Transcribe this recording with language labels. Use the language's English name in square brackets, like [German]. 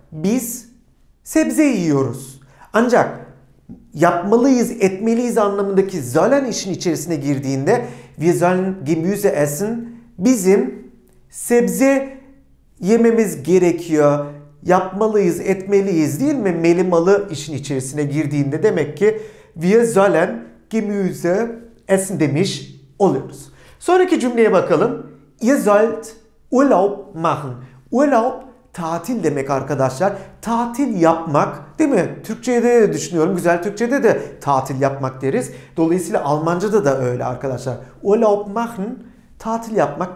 [Turkish] Biz sebze yiyoruz. Ancak yapmalıyız, etmeliyiz anlamındaki sollen işin içerisine girdiğinde [German] wir sollen Gemüse essen, [Turkish] bizim sebze yememiz gerekiyor. Yapmalıyız, etmeliyiz değil mi? Meli malı işin içerisine girdiğinde demek ki [German] wir sollen Gemüse essen [Turkish] demiş oluyoruz. Sonraki cümleye bakalım. [German] Ihr sollt Urlaub machen. [Turkish] Urlaub tatil demek arkadaşlar. Tatil yapmak değil mi? Türkçe'de de düşünüyorum. Güzel Türkçe'de de tatil yapmak deriz. Dolayısıyla Almanca'da da öyle arkadaşlar. [German] Urlaub machen. [Turkish] Tatil yapmak.